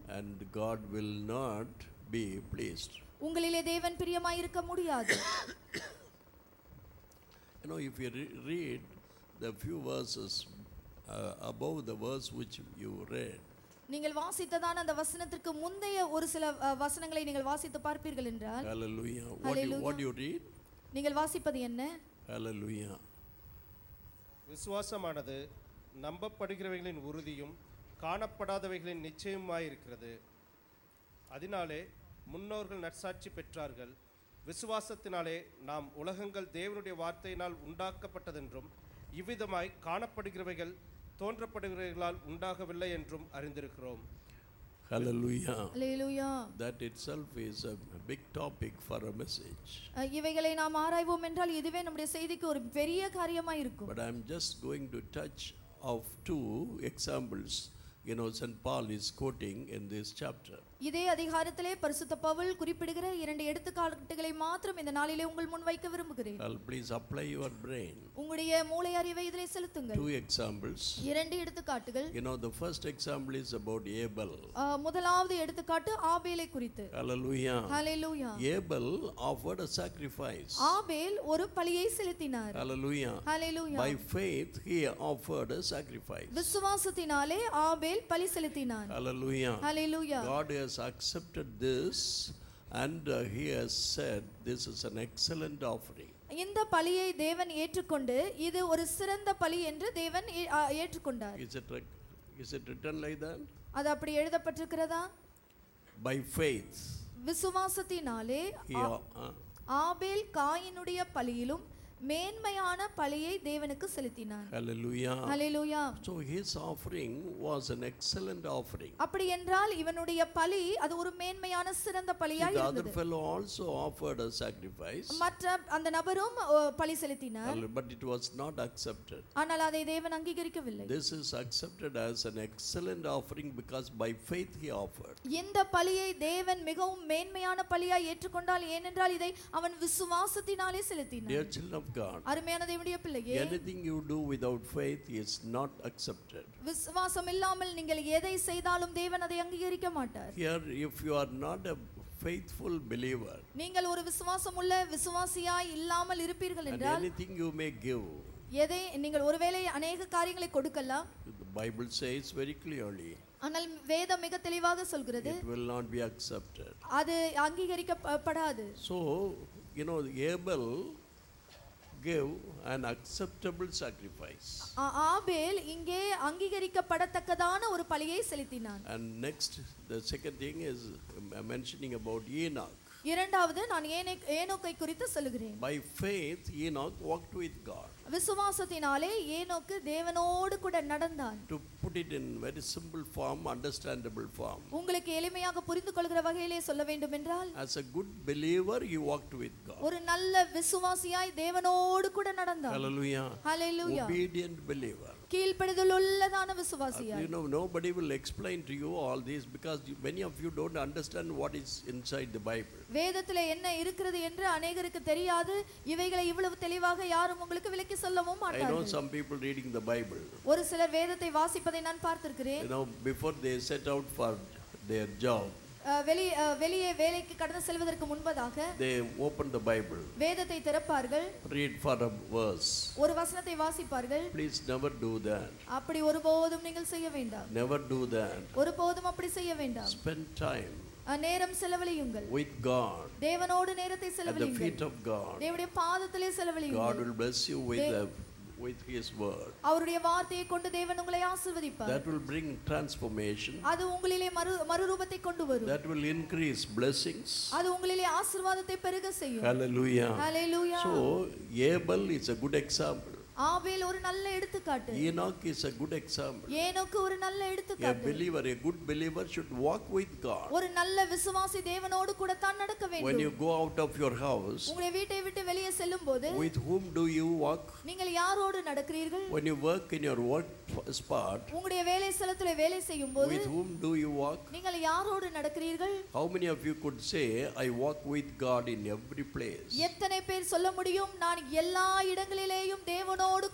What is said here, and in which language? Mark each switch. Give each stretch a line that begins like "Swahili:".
English: And God will not be pleased.
Tamil: உங்களிலே தேவன் பிரியமாய் இருக்க முடியாது.
English: You know, if you read the few verses above the verse which you read.
Tamil: நீங்கள் வாசித்ததான அந்த வசனத்திற்கு முந்தைய ஒரு சில வசனங்களை நீங்கள் வாசித்து பார்ப்பீர்கள் என்றால்,
English: Hallelujah. What do you read?
Tamil: நீங்கள் வாசிப்பது என்ன?
English: Hallelujah.
Tamil: விசுவாசமானது நம்பப்படுகிறவைகளின் உறுதியும் காணப்படாதவைகளின் நிச்சயமாயிருக்கிறது. அதனாலே முன்னோர்கள் நற்சாட்சி பெற்றார்கள். விசுவாசத்தினாலே நாம் உலகங்கள் தேவனுடைய வார்த்தையினால் உண்டாக்கப்பட்டதென்றும் இவ்விதமாய் காணப்படுகிறவைகள் தோன்றப்படுகிறவர்களால் உண்டாகவில்லை என்றும் அறிந்திருக்கிறோம்.
English: Hallelujah. Hallelujah. That itself is a big topic for a message.
Tamil: இவைகளை நாம் ஆராய்வோம் என்றால் இதுவே நம்முடைய செய்திக்கு ஒரு பெரிய காரியமாக இருக்கும்.
English: But I am just going to touch of two examples. You know, St. Paul is quoting in this chapter.
Tamil: இதே அதிகாரத்திலே பரிசுத்த பவுல் குறிப்பிடுகிற இரண்டு எடுத்துக்காட்டுகளை மாத்திரம் இந்த நாளிலே உங்கள் முன் வைக்க விரும்புகிறேன்.
English: Well, please apply your brain.
Tamil: உங்களுடைய மூளை அறிவை இதிலே செலுத்துங்கள்.
English: Two examples.
Tamil: இரண்டு எடுத்துக்காட்டுகள்.
English: You know, the first example is about Abel.
Tamil: முதலாவது எடுத்துக்காட்டு ஆபேலை குறித்து.
English: Hallelujah. Hallelujah. Abel offered a sacrifice.
Tamil: ஆபேல் ஒரு பலியை செலுத்தினார்.
English: Hallelujah. Hallelujah. By faith he offered a sacrifice.
Tamil: விசுவாசத்தினாலே ஆபேல் பலி செலுத்தினார்.
English: Hallelujah. Hallelujah. God has accepted this and he has said this is an excellent offering.
Tamil: இந்த பலியை தேவன் ஏற்றுக்கொண்டு இது ஒரு சிறந்த பலி என்று தேவன் ஏற்றுக்கொண்டார்.
English: Is it written like that?
Tamil: அது அப்படி எழுதப்பட்டிருக்கிறதா?
English: By faith.
Tamil: விசுவாசத்தினாலே ஆபேல் காயினுடைய பலியிலும் மேன்மையான பலியை தேவனுக்கு செலுத்தினார்.
English: Hallelujah. Hallelujah. So his offering was an excellent offering.
Tamil: அப்படி என்றால் இவனுடைய பலி அது ஒரு மேன்மையான சிறந்த பலியாய் இருந்தது.
English: The other fellow also offered a sacrifice.
Tamil: மற்ற அந்த நபரும் பலி செலுத்தினார்.
English: But it was not accepted.
Tamil: ஆனால் அதை தேவன் அங்கீகரிக்கவில்லை.
English: This is accepted as an excellent offering because by faith he offered.
Tamil: இந்த பலியை தேவன் மிகவும் மேன்மையான பலியாய் ஏற்றுக்கொண்டால் ஏனென்றால் இதை அவன் விசுவாசத்தினாலே செலுத்தினார்.
English: Of God.
Tamil: அருமையான தேவனுடைய பிள்ளையே,
English: anything you do without faith is not accepted.
Tamil: விசுவாசம் இல்லாமல் நீங்கள் எதை செய்தாலும் தேவன் அதை அங்கீகரிக்க மாட்டார்.
English: Here, if you are not a faithful believer,
Tamil: நீங்கள் ஒரு விசுவாசமுள்ள விசுவாசியாய் இல்லாமல் இருப்பீர்கள் என்றால்,
English: anything you may give,
Tamil: எதை நீங்கள் ஒருவேளை அநேக காரியங்களை கொடுக்கலாம்.
English: The Bible says very clearly.
Tamil: ஆனால் வேதம் மிக தெளிவாக சொல்கிறது.
English: It will not be accepted.
Tamil: அது அங்கீகரிக்கப்படாது.
English: So, you know, Abel gave an acceptable sacrifice.
Tamil: ஆபேல் இங்கே அங்கீகரிக்கப்படத்தக்கதான ஒரு பலியை செலுத்தினான்.
English: And next, the second thing is mentioning about Enoch.
Tamil: இரண்டாவது நான் ஏனோக்கை குறித்து சொல்கிறேன்.
English: By faith Enoch walked with God.
Tamil: விசுவாசத்தினாலே ஏனோக்கு தேவனோடு கூட நடந்தான்.
English: To put it in very simple form, understandable form.
Tamil: உங்களுக்கு எளிமையாக புரிந்துகொள்கிற வகையிலே சொல்ல வேண்டும் என்றால்
English: As a good believer he walked with God.
Tamil: ஒரு நல்ல விசுவாசியாய் தேவனோடு கூட நடந்தான்.
English: Hallelujah. Hallelujah. Obedient believer.
Tamil: கீழ்ப்படிதல் உள்ளதான விசுவாசியாய்.
English: You know nobody will explain to you all this because many of you don't understand what is inside the Bible.
Tamil: வேதத்தில் என்ன இருக்கிறது என்று அநேகருக்கு தெரியாது. இவைகளை இவ்வளவு தெளிவாக யாரும் உங்களுக்கு விளக்கி சொல்லவும் மாட்டார்கள்.
English: I know some people reading the Bible.
Tamil: ஒரு சிலர் வேதத்தை வாசிப்பதை நான் பார்த்திருக்கிறேன்.
English: You know before they set out for their job.
Tamil: வெளியே வேலைக்கு கடந்து செல்வதற்கு முன்பதாக
English: they open the Bible.
Tamil: வேதத்தை திறப்பார்கள்.
English: Read for a verse.
Tamil: ஒரு வசனத்தை வாசிப்பார்கள்.
English: Please never do that.
Tamil: அப்படி ஒருபோதும் நீங்கள் செய்ய வேண்டாம்.
English: Never do that.
Tamil: ஒருபோதும் அப்படி செய்ய வேண்டாம்.
English: Spend time
Tamil: நேரம் செலவழியுங்கள்.
English: With God.
Tamil: தேவனோடு நேரத்தை செலவழியுங்கள்.
English: At the feet of God.
Tamil: தேவனுடைய பாதத்திலே செலவழியுங்கள்.
English: God will bless you with his word.
Tamil: அவருடைய வார்த்தையை கொண்டு தேவன் உங்களை ஆசீர்வதிப்பார்.
English: That will bring transformation.
Tamil: அது உங்களிலே மறுரூபத்தை கொண்டு வரும்.
English: That will increase blessings.
Tamil: அது உங்களிலே ஆசீர்வாதத்தை பெருக செய்யும்.
English: Hallelujah. Hallelujah. So Abel is a good example.
Tamil: ஆபேல் ஒரு நல்ல எடுத்துக்காட்டு.
English: Enoch is a good example.
Tamil: ஏனோக்கு ஒரு நல்ல எடுத்துக்காட்டு.
English: A good believer should walk with God.
Tamil: ஒரு நல்ல விசுவாசி தேவனோடு கூட தான் நடக்க வேண்டும்.
English: When you go out of your house.
Tamil: உங்களை வீட்டை விட்டு வெளியே செல்லும்போது.
English: With whom do you walk?
Tamil: நீங்கள் யாரோடு நடக்கிறீர்கள்?
English: When you work in your work spot.
Tamil: உங்களுடைய வேலை ஸ்தலத்திலே வேலை செய்யும்போது.
English: With whom do you walk?
Tamil: நீங்கள் யாரோடு நடக்கிறீர்கள்?
English: How many of you could say I walk with God in every place?
Tamil: எத்தனை பேர் சொல்ல முடியும் நான் எல்லா இடங்களிலேயும் தேவ